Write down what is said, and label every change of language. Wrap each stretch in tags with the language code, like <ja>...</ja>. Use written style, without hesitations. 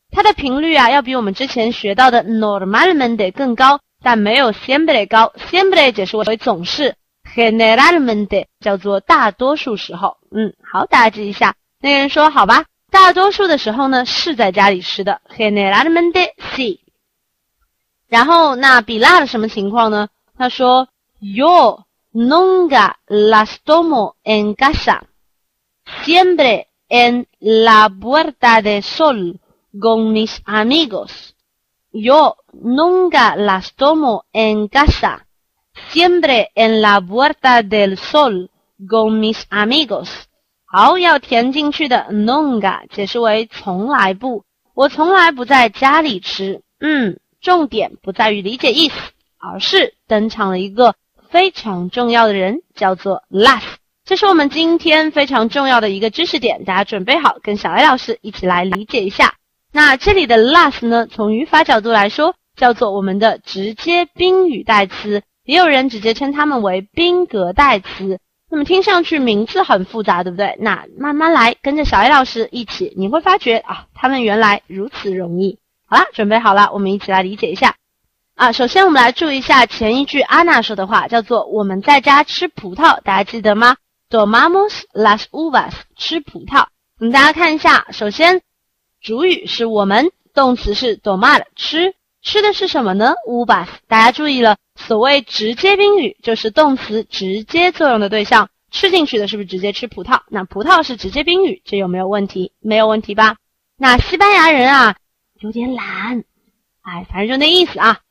<zh>它的频率啊，要比我们之前学到的 normalmente 更高，但没有 siempre 高。 siempre 解释为总是， generalmente 叫做大多数时候。嗯，好，大家记一下。那个人说，好吧，大多数的时候呢是在家里吃的，</zh> <es>generalmente sí。</es> <zh>然后那比辣的什么情况呢？他说</zh> <es>，Yo nunca las tomo en casa, siempre en la puerta de sol. Con mis amigos. Yo nunca las tomo en casa. Siempre en la puerta del sol. Con mis amigos.</es> <zh>好，要填进去的 nunca 解释为从来不。我从来不在家里吃。嗯，重点不在于理解意思，而是登场了一个非常重要的人，叫做 las。这是我们今天非常重要的一个知识点，大家准备好跟小艾老师一起来理解一下。那这里的 las 呢，从语法角度来说叫做我们的直接宾语代词，也有人直接称它们为宾格代词。那么听上去名字很复杂，对不对？那慢慢来，跟着小艾老师一起，你会发觉啊，它们原来如此容易。好啦，准备好了，我们一起来理解一下啊。首先我们来注意一下前一句安娜说的话，叫做我们在家吃葡萄，大家记得吗？</zh> <es>Tomamos las uvas，</es> <zh>吃葡萄。我们大家看一下，首先主语是我们，动词是 tomar， 吃，吃的是什么呢？</zh> <es>uvas。</es> <zh>大家注意了，所谓直接宾语就是动词直接作用的对象，吃进去的是不是直接吃葡萄？那葡萄是直接宾语，这有没有问题？没有问题吧。那西班牙人啊有点懒，哎，反正就那意思啊。</zh>